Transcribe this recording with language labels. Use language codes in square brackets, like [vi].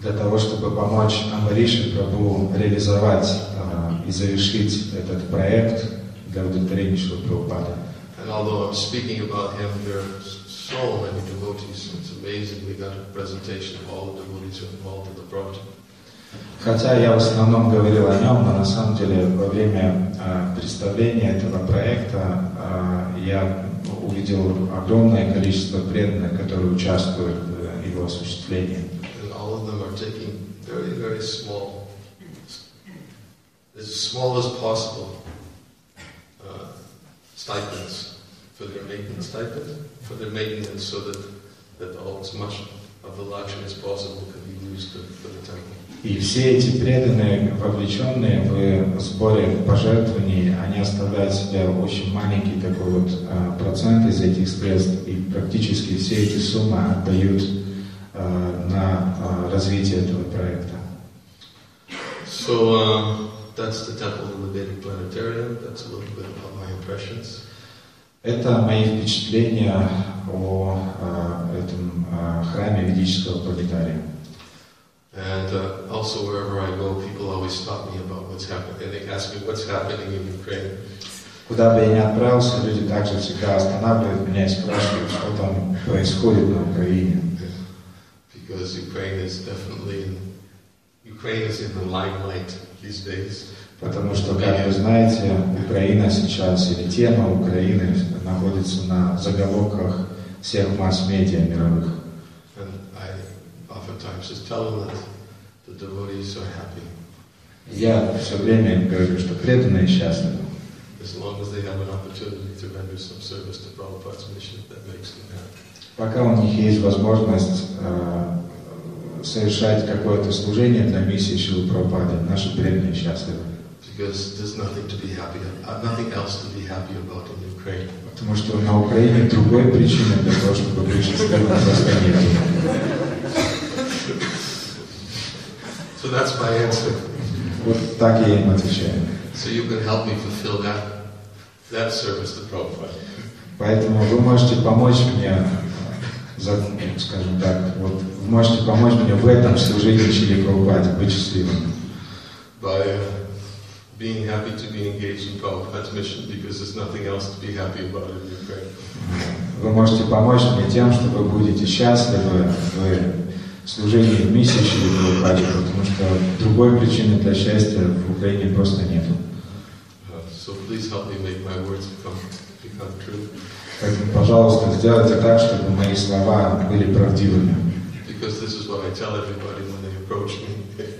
[ru] Для того, чтобы помочь Ambarish Prabhu реализовать и завершить этот проект для удовлетворения Шрила Прабхупады. [en] And although I'm speaking about him, there are so many devotees. It's amazing we got a presentation of all the devotees involved in the project. [ru] Хотя я в основном говорил о нем, но на самом деле во время представления этого проекта я увидел огромное количество преданных, которые участвуют в его осуществлении. [en] And all of them are taking very, very small, as small as possible, stipends for their maintenance, so that all as much of the lakshmi as possible can be used for the temple. [ru] И все эти преданные, вовлеченные в сборе пожертвований, они оставляют себе очень маленький такой вот процент из этих средств, и практически все эти суммы отдают на развитие этого проекта. [en] So, that's the temple of the Vedic Planetarium. That's a little bit about my impressions. [ru] Это мои впечатления о этом храме ведического планетария. [en] And also wherever I go, people always stop me about what's happening, and they ask me what's happening in Ukraine. [ru] Куда бы я ни отправился, люди также всегда останавливают меня и спрашивают, что там происходит на Украине. [en] Because Ukraine is definitely in the limelight these days. [ru] Потому что, как вы знаете, Украина сейчас или тема Украины находится на заголовках всех масс-медиа мировых. [en] Oftentimes, just tell them that the devotees are happy. [ru] Я все время говорю, что преданные счастливы. [en] As long as they have an opportunity to render some service to Prabhupada's mission, that makes them happy. [ru] Пока у них есть возможность совершать какое-то служение для миссии Шрилы Прабхупады, наши преданные счастливы. [en] Because there's nothing to be happy. Nothing else to be happy about in Ukraine. [ru] Потому что на Украине другой причины для того, чтобы быть счастливым. [en] So that's my answer. [ru] Вот так я им отвечаю. [en] So you can help me fulfill that That service to Prabhupada. [ru] Поэтому вы можете помочь мне, скажем так, вот вы можете помочь мне в этом служении Шри Прабхупаде, быть счастливым. [en] By being happy to be engaged in Prabhupada's mission, because there's nothing else to be happy about in Ukraine. [ru] Вы можете помочь мне тем, что вы будете счастливы в служении в миссии Шри Прабхупаде, потому что другой причины для счастья в Украине просто нет. [en] So please help me make my words become true. [ru] Так, пожалуйста, сделайте так, чтобы мои слова были правдивыми. [en] Because this is what I tell everybody when they approach me.